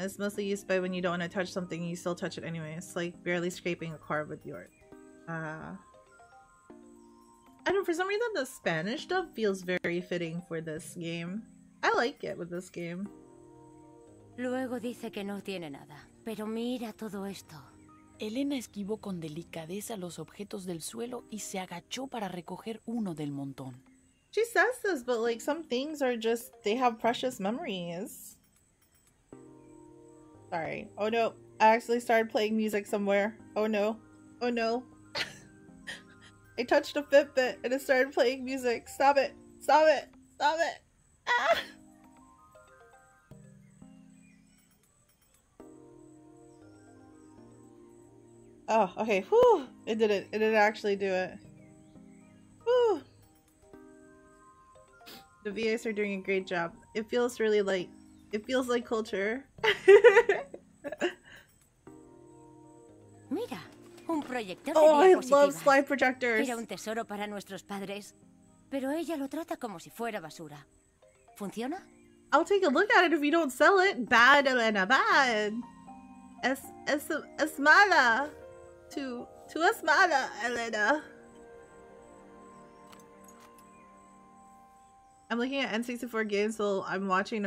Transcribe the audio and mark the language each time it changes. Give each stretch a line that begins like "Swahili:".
English: It's mostly used by when you don't want to touch something, you still touch it anyway. It's like barely scraping a car with your. I don't. For some reason, the Spanish dub feels very fitting for this game. I like it with this game.
Spanish: Luego dice que no tiene nada, pero mira todo esto. Elena esquivó con delicadeza los objetos del suelo y se agachó para recoger uno del montón.
English: She says this, but like some things are just, they have precious memories. Sorry. Oh no, I actually started playing music somewhere. Oh no. Oh no. I touched a Fitbit and it started playing music. Stop it. Stop it. Stop it. Oh, okay. Whew. It did it. It didn't actually do it. Whew. The VAs are doing a great job. It feels really like... It feels like culture.
Spanish: Mira, un proyector.
English: Oh, I love slide projectors.
Spanish: Era un tesoro para nuestros padres, pero ella lo trata como si fuera basura. ¿Funciona?
English: I'll take a look at it if you don't sell it. Bad, Elena. Bad.
Spanish: Es mala.
English: To us mala, Elena. I'm looking at N64 games while I'm watching.